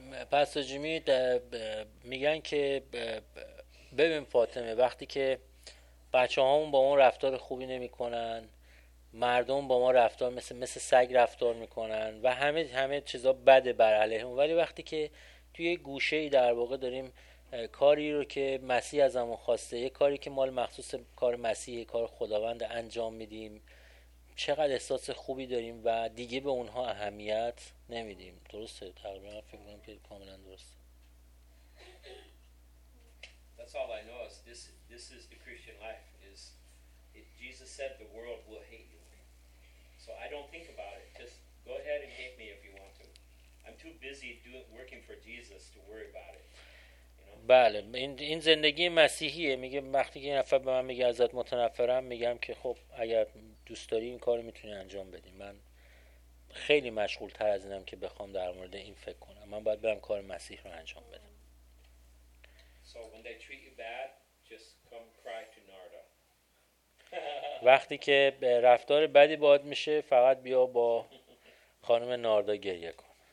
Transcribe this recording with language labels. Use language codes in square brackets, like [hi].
[fa] پاستر جیمی میگن که ببین فاطمه، وقتی که بچه هامون با ما رفتار خوبی نمی کنن، مردم با ما رفتار مثل سگ رفتار می کنن و همه چیزا بده بر علیه ما، ولی وقتی که توی گوشه ای در واقع داریم کاری رو که مسیح از ما خواسته، یه کاری که مال مخصوص کار مسیح، کار خداوند انجام میدیم، چقدر احساس خوبی داریم و دیگه به اونها اهمیت نمیدیم. درسته؟ تقریبا فکر کنم که کاملا درسته. [en] That's all I know is this is the Christian life. Is it, Jesus said the world will hate you. So I don't think about it. Just go ahead and hate me if you want to. I'm too busy working for Jesus to worry about it. [fa] بله، این زندگی مسیحیه. میگه وقتی که یه نفر به من میگه ازت متنفرم، میگم که خب اگر دوست داری این کارو میتونی انجام بدی. من خیلی مشغول تر از اینم که بخوام در مورد این فکر کنم. من باید برم کار مسیح رو انجام بدم. [en] So when they treat you bad, just come cry to Narda. [fa] وقتی که به رفتار بدی باهات میشه، فقط بیا با خانم ناردا گریه کن.